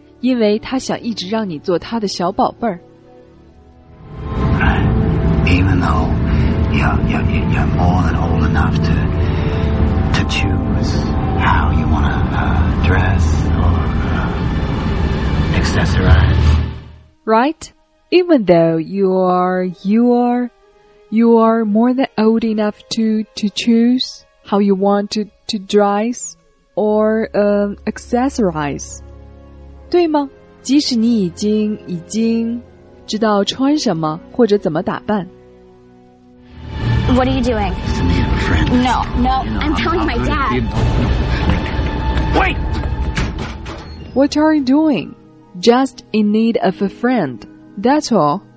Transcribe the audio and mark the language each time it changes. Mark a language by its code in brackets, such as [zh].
[zh] 因为他想一直让你做他的小宝贝儿。 [en] Right. Even though you're more than old enough to choose how you want to dress or accessorize. Right? Even though you are more than old enough to choose how you want to dress or accessorize. [zh] 对吗？即使你已经知道穿什么或者怎么打扮。 [en] What are you doing? No, I'm telling my dad. Wait! What are you doing? Just in need of a friend. That's all.